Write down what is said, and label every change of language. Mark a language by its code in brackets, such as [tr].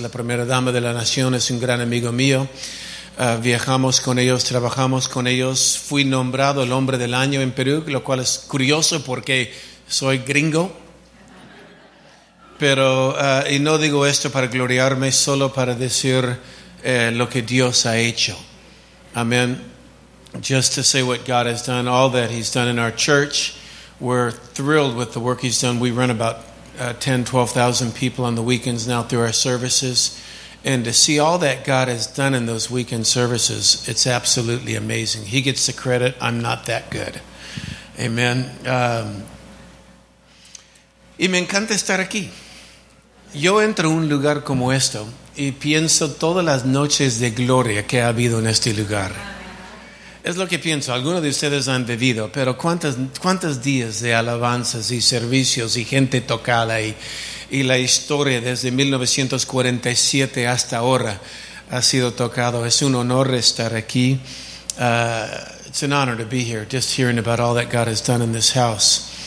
[es] La primera dama de la nación es un gran amigo mío. Viajamos con ellos, trabajamos con ellos. Fui nombrado el hombre del año en Perú, lo cual es curioso porque soy gringo. Pero, y no digo esto para gloriarme, solo para decir lo que Dios ha hecho. Amén. [en] Just to say what God has done, all that He's done in our church. We're thrilled with the work He's done. We run about 10,000-12,000 people on the weekends now through our services. And to see all that God has done in those weekend services, it's absolutely amazing. He gets the credit. I'm not that good. Amen. [es] Y me encanta estar aquí. Yo entro a un lugar como esto y pienso todas las noches de gloria que ha habido en este lugar. Es lo que pienso. Algunos de ustedes han vivido, pero ¿cuántos días de alabanzas y servicios y gente tocada y la historia desde 1947 hasta ahora ha sido tocado? Es un honor estar aquí. [en] It's an honor to be here, just hearing about all that God has done in this house.